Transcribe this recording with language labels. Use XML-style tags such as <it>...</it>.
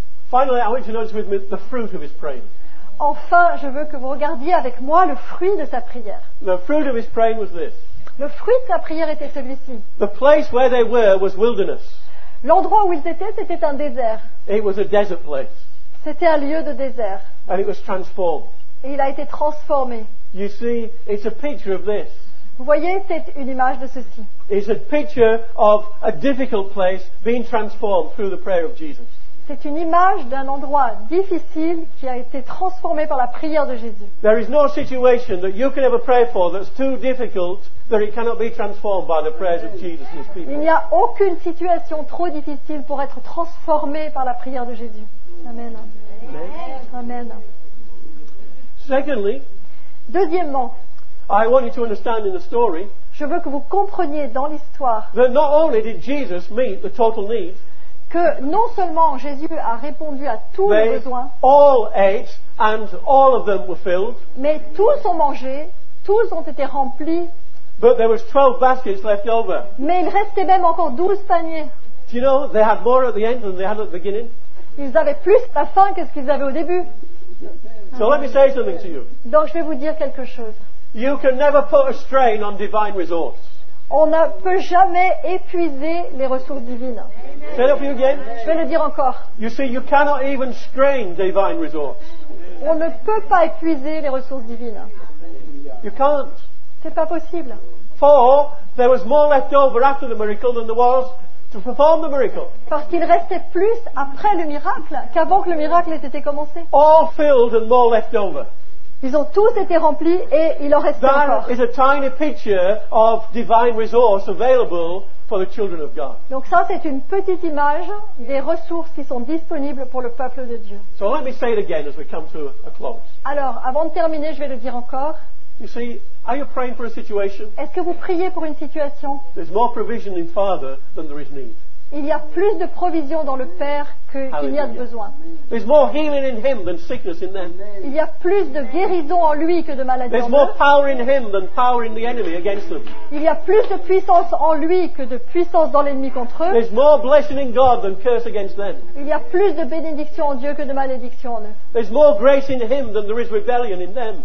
<en>Finally, I want you to notice with me the fruit of his praying.</en> <fr>Enfin, je veux que vous regardiez avec moi le fruit de sa prière.</fr> <en>The fruit of his praying was this.</en> <fr>Le fruit de sa prière était celui-ci.</fr> <en>The place where they were was wilderness.</en> <fr>L'endroit où ils étaient, c'était un désert.</fr> <en>It was a desert place.</en> <fr>C'était un lieu de désert.</fr> <en>And it was transformed.</en> <fr>Et il a été transformé.</fr> <en>You see, it's a picture of this.</en> <fr>Vous voyez, c'est une image de ceci.</fr> <en>It's a picture of a difficult place being transformed through the prayer of Jesus.</en> <fr>C'est une image d'un endroit difficile qui a été transformé par la prière de Jésus.</fr> <en>There is no situation that you can ever pray for that's too difficult that it cannot be transformed by the prayers of Jesus and his people.</en> <fr>Il n'y a aucune situation trop difficile pour être transformée par la prière de Jésus.</fr> <en>Amen.</en> <fr>Amen.</fr> <en>Amen. Secondly,</en> <fr>deuxièmement,</fr> <en>I want you to understand in the story,</en> <fr>je veux que vous compreniez dans l'histoire,</fr> <en>that not only did Jesus meet the total need,</en> <fr>que non seulement Jésus a répondu à tous</fr> <en>they</en> <fr>les besoins,</fr> <en>all ate and all of them were filled,</en> <fr>mais tous ont mangé, tous ont été remplis,</fr> <en>but there was 12 baskets left over.</en> <fr>Mais il restait même encore 12 paniers.</fr> <en>Do you know, they had more at the end than they had at the beginning.</en> <fr>Ils avaient plus à la fin que ce qu'ils avaient au début.</fr> <en>So let me say something to you.</en> <fr>Donc je vais vous dire quelque chose.</fr> <en>You can never put a strain on divine resources.</en> <fr>On ne peut jamais épuiser les ressources divines.</fr> <en>Say that for you again.</en> <fr>Je vais le dire encore.</fr> <en>You see, you cannot even strain divine resources.</en> <fr>On ne peut pas épuiser les ressources divines.</fr> <en>You can't.</en> <fr>C'est pas possible.</fr> <en>For there was more left over after the miracle than there was to perform the miracle.</en> <fr>Parce qu'il restait plus après le miracle qu'avant que le miracle ait été commencé.</fr> <en>All filled and more left over.</en> <fr>Ils ont tous été remplis et il en restait</fr> <en>that</en> <fr>encore.</fr> <en>Is a tiny picture of divine resource available for the children of God.</en> <fr>Donc ça, c'est une petite image des ressources qui sont disponibles pour le peuple de Dieu.</fr> <en>So let me say it again as we come to a close.</en> <fr>Alors, avant de terminer, je vais le dire encore.</fr> <en>You see, are you praying for a situation?</en> <fr>Est-ce que vous priez pour une situation?</fr> <en>There's more provision in Father than there is need.</en> <fr>Il y a plus de provision dans le Père qu'il y a de besoin.</fr> <en>There's more healing in him than sickness in them.</en> <fr>Il y a plus de guérison en lui que de maladie.</fr> <en>There's</en> <fr>en</fr> <en>more</en> <fr>eux.</fr> <en>Power in him than power in the enemy against them.</en> <fr>Il y a plus de puissance en lui que de puissance dans l'ennemi contre eux.</fr> <en>There's more blessing in God than curse against them.</en> <fr>Il y a plus de bénédiction en Dieu que de malédiction en eux.</fr> <en>There's more grace in him than there is rebellion in them.</en>